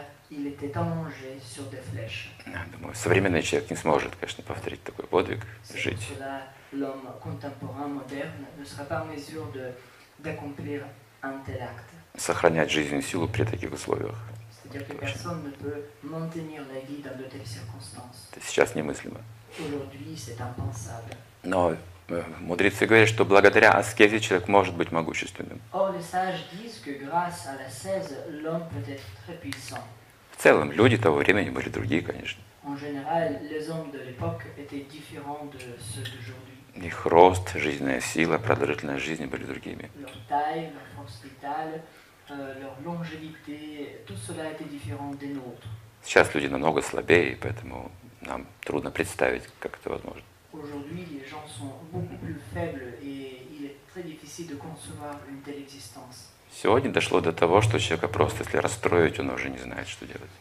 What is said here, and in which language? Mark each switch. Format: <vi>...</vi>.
<fr>Il était allongé sur des flèches.</fr> <ru>Я думаю, современный человек не сможет, конечно, повторить такой подвиг, жить.</ru> <fr>Cela, l'homme contemporain moderne ne sera pas en mesure d'accomplir un tel acte.</fr> <ru>Сохранять жизнь и силу при таких условиях.</ru> <fr>C'est-à-dire que personne ne peut maintenir la vie dans de telles circonstances.</fr> <ru>Это сейчас немыслимо.</ru> <fr>Aujourd'hui, c'est impensable.</fr> <ru>Но мудрецы говорят, что благодаря аскезе человек может быть могущественным.</ru> <fr>Or, les sages disent que grâce à l'ascèse, l'homme peut être très puissant.</fr> <ru>В целом, люди того времени были другие, конечно.</ru> <fr>En général, les hommes de l'époque étaient différents de ceux d'aujourd'hui.</fr> <ru>Их рост, жизненная сила, продолжительность жизни были другими.</ru> <fr>Leur taille, leur force vitale, leur longévité, tout cela était différent des nôtres.</fr> <ru>Сейчас люди намного слабее, поэтому нам трудно представить, как это возможно.</ru> <fr>Aujourd'hui, les gens sont beaucoup plus faibles et il est très difficile de concevoir une telle existence.</fr> <ru>Сегодня дошло до того, что человека просто, если расстроить, он уже не знает, что делать.</ru>